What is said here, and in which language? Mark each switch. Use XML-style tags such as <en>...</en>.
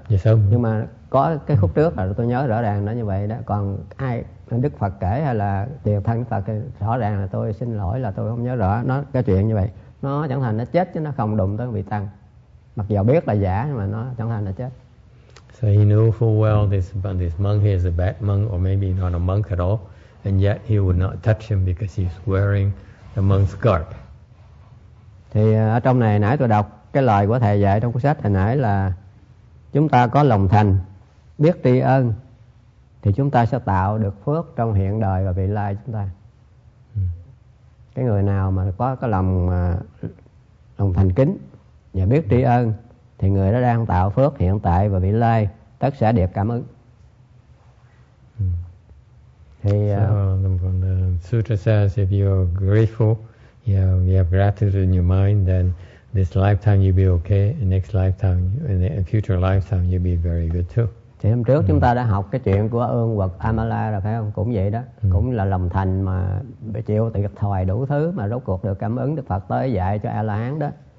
<vi>Dạ sao? Nhưng mà có cái khúc trước là tôi nhớ rõ ràng nó như vậy đó. Còn ai Đức Phật kể hay là tiền thân Đức Phật thì rõ ràng là tôi xin lỗi là tôi không nhớ rõ nó cái chuyện như vậy. Nó chẳng thành nó chết chứ nó không đụng tới vị tăng. Mặc dù biết là giả nhưng mà nó chẳng thành nó chết.</vi> <en>So he knew full well this monk here is a bad monk or maybe not a monk at all, and yet he would not touch him because he's wearing the monk's garb.</en> <vi>Thì ở trong này nãy tôi đọc cái lời của thầy dạy trong cuốn sách hồi nãy là chúng ta có lòng thành biết tri ân thì chúng ta sẽ tạo được phước trong hiện đời và vị lai chúng ta. Cái người nào mà có cái lòng thành kính và biết tri ân thì người đó đang tạo phước hiện tại và vị lai tất sẽ được cảm ứng.</vi> <en>Thì the sutra says if you are grateful, you have gratitude in your mind, then this lifetime you'll be okay, and next lifetime, in the future lifetime you'll be very good too.</en> <vi>Thì hôm trước chúng ta đã học cái chuyện của ương quật Amala rồi phải không? Cũng vậy đó, cũng là lòng thành mà chịu thiệt thòi đủ thứ mà rốt cuộc được cảm ứng Đức Phật tới dạy cho A-la-hán đó.</vi>